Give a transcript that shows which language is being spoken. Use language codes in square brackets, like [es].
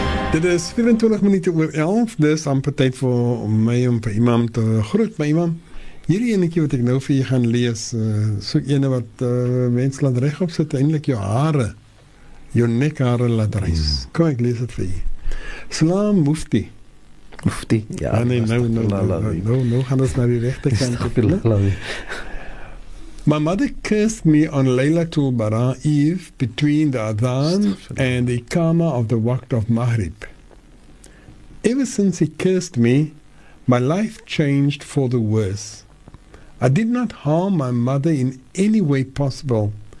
[af] Dit is 24 minute oor 11, dis amper tyd vir my om vir imam te groet, my imam. Hierdie enetjie wat ek nou vir jy gaan lees, soek ene wat mens laat reg opsit, eindelijk jou haare, jou nekhaare laat reis. Kom, ek lees het vir jy. Salam Mufti. Mufti, ja. Nou gaan ons naar die rechte kant. [en] My mother kissed me on Laylatul Bara'if between the Adhan and the Iqama of the Waqt of Maghrib. Ever since he kissed me, my life changed for the worse. I did not harm my mother in any way possible.